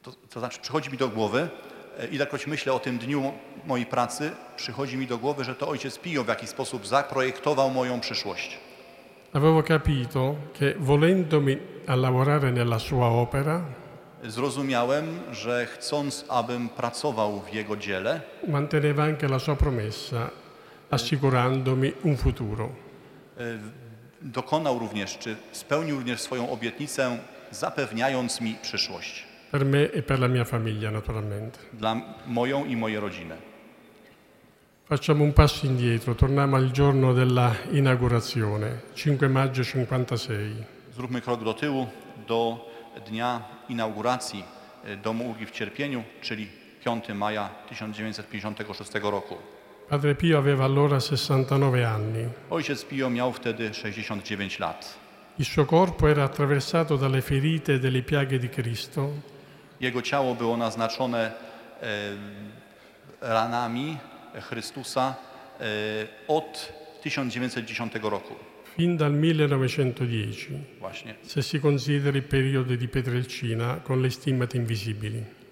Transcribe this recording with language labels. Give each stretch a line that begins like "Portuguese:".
Polish: To znaczy, przychodzi mi do głowy, ilekroć myślę o tym dniu mojej pracy, przychodzi mi do głowy, że to ojciec Pio w jakiś sposób zaprojektował moją przyszłość.
Italian: Avevo capito che volendomi a lavorare nella sua opera,
Polish: zrozumiałem, że chcąc, abym pracował w jego dziele,
Italian: manteneva anche la sua promessa, assicurandomi un futuro.
Polish: Dokonał również, czy spełnił również swoją obietnicę, zapewniając mi przyszłość.
Italian: Per me e per la mia famiglia, naturalmente.
Polish: Dla moją i mojej rodziny.
Italian: Facciamo un passo indietro, torniamo al giorno della inaugurazione, 5 maggio 56.
Polish: Zróbmy krok do tyłu, do dnia inauguracji Domu Ulgi w Cierpieniu, czyli 5 maja 1956 roku.
Italian: Padre Pio aveva allora 69 anni.
Polish: Ojciec Pio miał wtedy 69 lat.
Italian: Il suo corpo era attraversato dalle ferite delle piaghe di Cristo.
Polish: Jego ciało było naznaczone ranami Chrystusa od 1910 roku.
Italian: Fin dal 1910.
Polish: Właśnie.
Italian: Se si considera il periodo di Petrelcina con le stimmate invisibili.